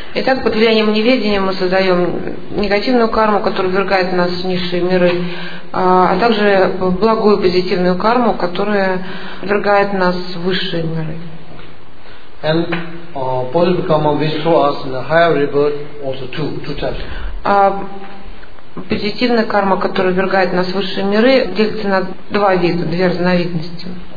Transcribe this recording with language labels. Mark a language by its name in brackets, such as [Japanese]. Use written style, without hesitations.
[Russian] Итак, под влиянием неведения мы создаем негативную карму, которая ввергает нас в низшие миры, а также благую позитивную карму, которая ввергает нас в высшие миры. [English] And positive karma which throw us in a higher rebirth also two types. [Russian] Позитивная карма, которая ввергает нас в высшие миры, делится на два вида, две разновидности.